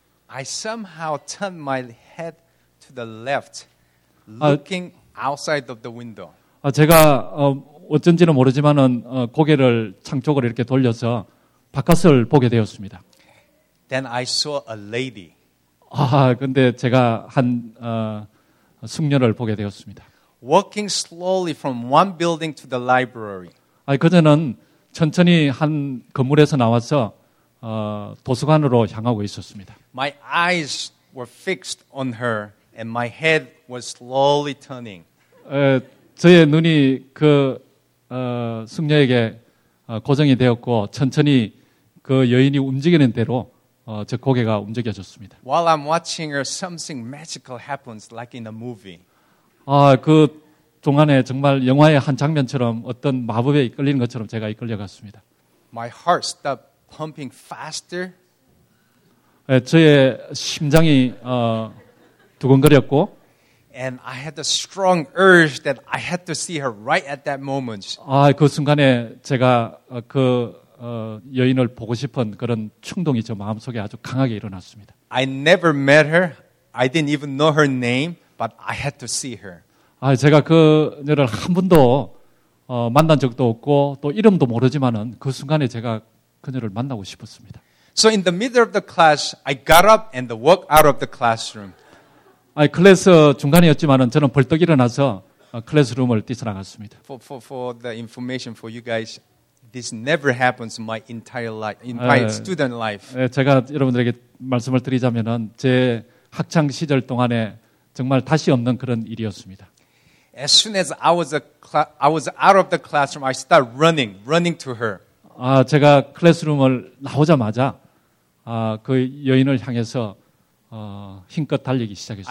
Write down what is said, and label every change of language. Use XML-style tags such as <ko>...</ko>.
<en>I somehow turned my head to the left, looking outside of the window.</en> <ko>제가 어쩐지는 모르지만은 고개를 창쪽으로 이렇게 돌려서 바깥을 보게 되었습니다.</ko> <en>Then I saw a lady.</en> <ko>아, 근데 제가 한 숙녀를 보게 되었습니다.</ko> <en>Walking slowly from one building to the library.</en> <ko>아니, 그녀는 천천히 한 건물에서 나와서 도서관으로 향하고 있었습니다.</ko> <en>My eyes were fixed on her and my head was slowly turning.</en> <ko>저의 눈이 그 숙녀에게 고정이 되었고 천천히 그 여인이 움직이는 대로 제 고개가 움직여졌습니다.</ko> <en>While I'm watching her, something magical happens like in a movie.</en> <ko>그 동안에 정말 영화의 한 장면처럼 어떤 마법에 이끌리는 것처럼 제가 이끌려갔습니다.</ko> <en>My heart stopped pumping faster.</en> <ko>예, 저의 심장이 두근거렸고</ko> <en>and I had a strong urge that I had to see her right at that moment.</en> <ko>그 순간에 제가 그 여인을 보고 싶은 그런 충동이 저 마음속에 아주 강하게 일어났습니다.</ko> <en>I never met her. I didn't even know her name, but I had to see her.</en> <ko>제가 그녀를 한 번도 만난 적도 없고 또 이름도 모르지만은 그 순간에 제가 그녀를 만나고 싶었습니다.</ko> <en>So in the middle of the class, I got up and walked out of the classroom.</en> <ko>클래스 중간이었지만은 저는 벌떡 일어나서 클래스룸을 뛰쳐나갔습니다.</ko> <en>For the information for you guys, this never happens my entire life, entire student life.</en> <ko>제가 여러분들에게 말씀을 드리자면은 제 학창 시절 동안에 정말 다시 없는 그런 일이었습니다.</ko> <en>As soon as I was out of the classroom, I started running to her.</en> <ko>제가 클래스룸을 나오자마자 그 여인을 향해서 힘껏 달리기 시작했습니다.</ko>